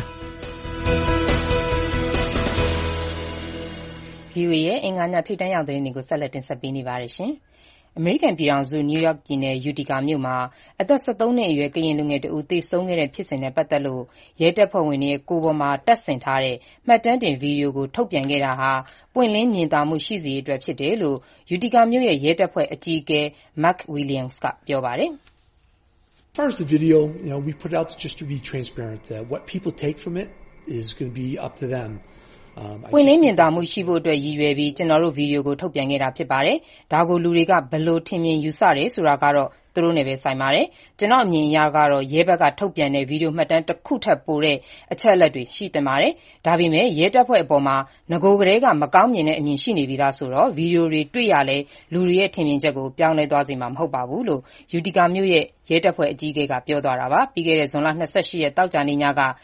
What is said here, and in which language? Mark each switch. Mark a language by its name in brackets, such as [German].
[Burmese] ဗျာ VOA ရဲ့အင်္ဂါညထိတ်တန့်ရောက်တဲ့နေ့ကိုဆက်လက်တင်ဆက်ပေးနေပါတယ်ရှင်အမေရိကန်ပြည်ထောင်စုနယူးယောက်ပြည်နယ်ယူတီကာမြို့မှာအသက်73နှစ်အရွယ်ကရင်လူငယ်တဦးသေဆုံးခဲ့တဲ့ဖြစ်စဉ်နဲ့ပတ်သက်လို့ရဲတပ်ဖွဲ့ဝင်တွေကိုယ်ပေါ်မှာတက်ဆင်ထားတဲ့မှတ်တမ်းတင်ဗီဒီယိုကိုထုတ်ပြန်ခဲ့တာဟာပွင့်လင်းမြင်သာမှုရှိစေအတွက်ဖြစ်တယ်လို့ယူတီကာမြို့ရဲ့ရဲတပ်ဖွဲ့အကြီးအကဲမက်ဝီလျံစ်ကပြောပါတယ် [English] First the video you know we put out just to be transparent that what people take from it is going to be up to them [Burmese] ပွင့်လင်းမြင်သာမှုရှိဖို့အတွက်ရည်ရွယ်ပြီးကျွန်တော်တို့ဗီဒီယိုကိုထုတ်ပြန်ခဲ့တာဖြစ်ပါတယ်။ဒါကိုလူတွေကဘယ်လိုထင်မြင်ယူဆတယ်ဆိုတာကတော့သူတို့နဲ့ပဲဆိုင်ပါတယ်။ကျွန်တော်အမြင်အရကတော့ရဲဘက်ကထုတ်ပြန်တဲ့ဗီဒီယိုမှတ်တမ်းတစ်ခုထပ်ပို့တဲ့အချက်အလက်တွေရှိတင်ပါတယ်။ဒါပေမဲ့ရဲတပ်ဖွဲ့အပေါ်မှာငိုကလေးကမကောင်းမြင်တဲ့အမြင်ရှိနေပြီလားဆိုတော့ဗီဒီယိုတွေတွေ့ရလဲလူတွေရဲ့ထင်မြင်ချက်ကိုပြောင်းလဲသွားစေမှာမဟုတ်ပါဘူးလို့ UTK မြို့ရဲ့ရဲတပ်ဖွဲ့အကြီးအကဲကပြောသွားတာပါပြီးခဲ့တဲ့ဇွန်လ28ရက်တောက်ကြနေညက